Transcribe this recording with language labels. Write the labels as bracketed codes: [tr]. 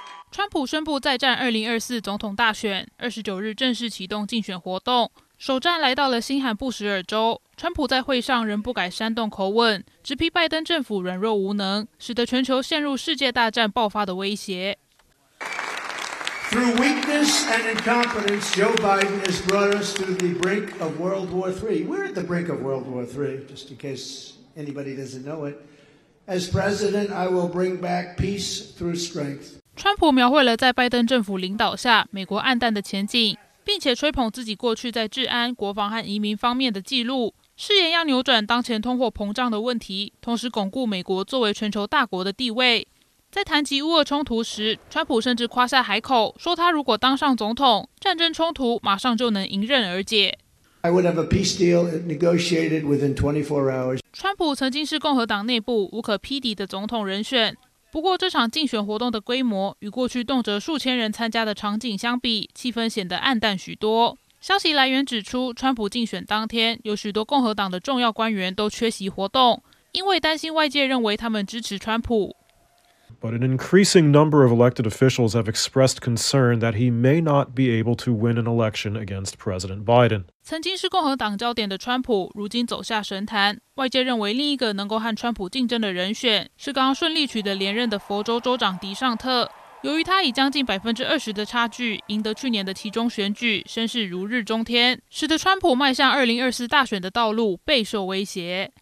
[zh] 川普宣布再战2024总统大选，29日正式启动竞选活动，首战来到了新罕布什尔州。川普在会上仍不改煽动口吻，直批拜登政府软弱无能，使得全球陷入世界大战爆发的威胁。 [en] Through weakness and incompetence, Joe Biden has brought us to the brink of World War III. We're at the brink of World War III, just in case anybody doesn't know it. As president, I will bring back peace through strength. [zh] 川普描绘了在拜登政府领导下美国暗淡的前景，并且吹捧自己过去在治安、国防和移民方面的记录，誓言要扭转当前通货膨胀的问题，同时巩固美国作为全球大国的地位。在谈及乌俄冲突时，川普甚至夸下海口，说他如果当上总统，战争冲突马上就能迎刃而解。 [en] I would have a peace deal negotiated within 24 hours. [zh] 川普曾经是共和党内部无可匹敌的总统人选，不过这场竞选活动的规模与过去动辄数千人参加的场景相比，气氛显得暗淡许多。消息来源指出，川普竞选当天有许多共和党的重要官员都缺席活动，因为担心外界认为他们支持川普。 [en] But an increasing number of elected officials have expressed concern that he may not be able to win an election against President Biden. [zh] 曾经是共和党焦点的川普，如今走下神坛。外界认为另一个能够和川普竞争的人选是刚刚顺利取得连任的佛州州长迪尚特。由于他以将近20%的差距赢得去年的其中选举，声势如日中天，使得川普迈向2024大选的道路备受威胁。